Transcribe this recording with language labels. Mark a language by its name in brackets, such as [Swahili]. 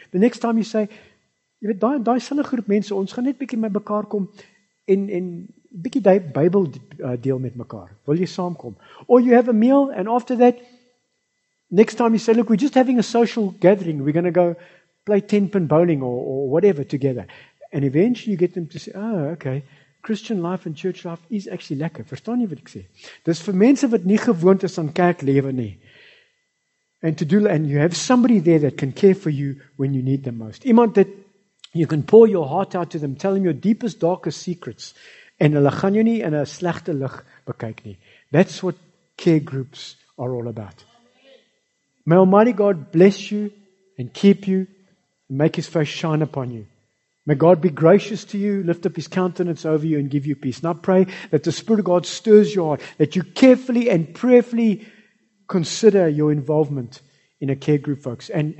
[English] The next time you say, [Afrikaans] "Jy weet daai sinne groep mense, ons gaan net bietjie by mekaar kom en bietjie daai Bybel deel met mekaar. Wil jy saamkom?" [English] Or you have a meal and after that next time you say, "Look, we're just having a social gathering. We're going to go play 10-pin bowling or whatever together." And eventually you get them to say, "Oh, okay. Christian life and church life is actually lekker." [Afrikaans] Verstaan jy wat ek sê? Dis vir mense wat nie gewoond is aan kerklewe nie. [English] And to do and you have somebody there that can care for you when you need them most. [Afrikaans] Iemand dat [English] you can pour your heart out to them, tell them your deepest, darkest secrets. [Afrikaans] En hulle gaan jou nie in 'n slegte lig bekyk nie. [English] That's what care groups are all about. May Almighty God bless you and keep you and make His face shine upon you. May God be gracious to you, lift up His countenance over you and give you peace. Now pray that the Spirit of God stirs your heart, that you carefully and prayerfully consider your involvement in a care group, folks.